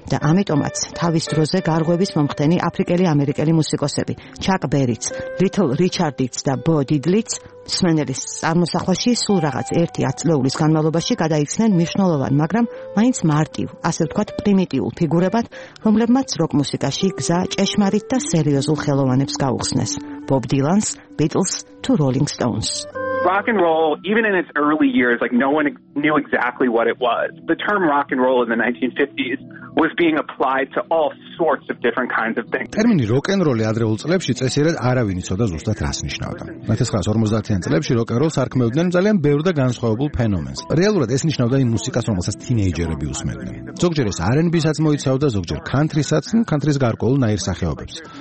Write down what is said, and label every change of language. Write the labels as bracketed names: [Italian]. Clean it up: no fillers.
[Georgian] და ამიტომაც თავის დროზე გარღვევის მომხდენი აფრიკელი ამერიკელი მუსიკოსები, ჩაკ ბერიც, ლიტლ რიჩარდიც და ბო დიდლიც, სმენელის წარმოსახვაში სულ რაღაც ერთი ათწლეულის განმავლობაში გადაიქცნენ მნიშვნელოვან, მაგრამ მაინც მარტივ, ასე ვთქვათ, პრიმიტიულ ფიგურებად, რომლებმაც როკ მუსიკაში გზა ჭეშმარიტ და სერიოზულ ხელოვანებს გაუხსნეს: ბობ დილანს, ბიტლს თუ როლინგ სტოუნს. [English] Rock and roll, even in its early years, like no one knew exactly what it was. The term rock and roll in the 1950s was being applied to all sorts of different kinds of things. [Georgian] Termini rock and roll-ი ადრეულ წლებში წესიერად არავინ იცოდა ზუსტად რას ნიშნავდა. 1950-იან წლებში rock and roll-ს არქმევდნენ ძალიან ბევრ და განსხვავებულ ფენომენს. რეალურად ეს ნიშნავდა იმ მუსიკას, რომელსაც თინეიჯერები უსმენდნენ. ზოგჯერ ეს R&B-საც მოიცავდა, ზოგჯერ country-საც, country-ის გარკვეულ ნაირსახეობებს.